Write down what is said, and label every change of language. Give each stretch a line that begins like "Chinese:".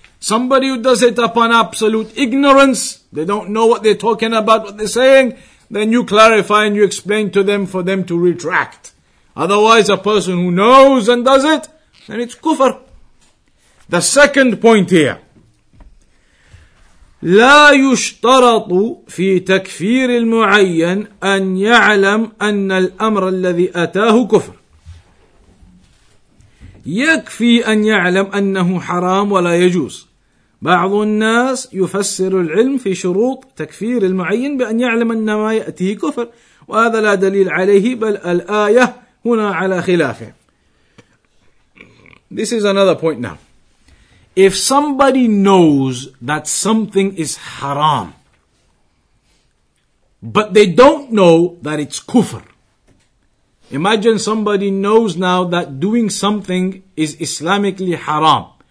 English: Somebody who does it upon absolute ignorance, they don't know what they're talking about, what they're saying, then you clarify and you explain to them for them to retract. Otherwise, a person who knows and does it, then it's kufr. The second point here.
Arabic: لا يشترط في تكفير المعين أن يعلم أن الأمر الذي أتاه كفر. يكفي أن يعلم أنه حرام ولا يجوز. بعض الناس يفسر العلم في شروط تكفير المعين بأن يعلم أن ما يأتيه كفر وهذا لا دليل عليه بل الآية هنا على خلافه.
English: This is another point now. If somebody knows that something is haram, but they don't know that it's kufr. Imagine somebody knows now that doing something is Islamically haram.